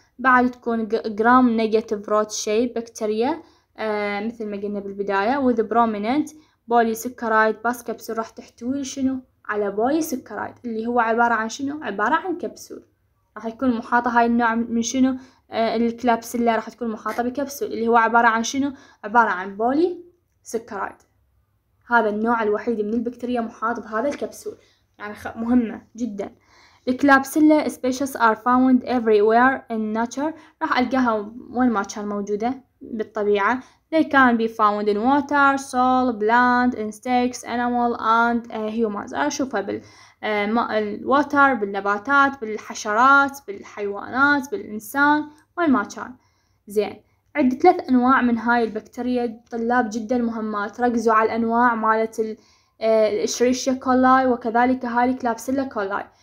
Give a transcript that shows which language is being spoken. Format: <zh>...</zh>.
<ar>بعد تكون gram negative rod shape بكتيريا مثل ما قلنا بالبداية،</ar> <en>with prominent polysaccharide،</en> <ar>بس كبسول راح تحتوي شنو على polysaccharide اللي هو عبارة عن شنو، عبارة عن كبسول، راح يكون محاطة هاي النوع من شنو الكلابسيلا راح تكون محاطة بكبسول اللي هو عبارة عن شنو، عبارة عن polysaccharide. هذا النوع الوحيد من البكتيريا محاط بهذا الكبسول، يعني مهمة جدا. الكلابسيلا</ar> <en>species are found everywhere in nature,</en> <ar>راح القاها وين ما كان موجودة بالطبيعة.</ar> <en>They can be found in water, soil, plant, insects, animal and humans.</en> <ar>اشوفها بالwater، بالنباتات، بالحشرات، بالحيوانات، بالانسان، وين ما كان. زين عد ثلاث انواع من هاي البكتيريا، طلاب جدا مهمات ركزوا على الانواع مالت الاشريشيا كولاي وكذلك هاي الكلابسيلا كولاي.</ar>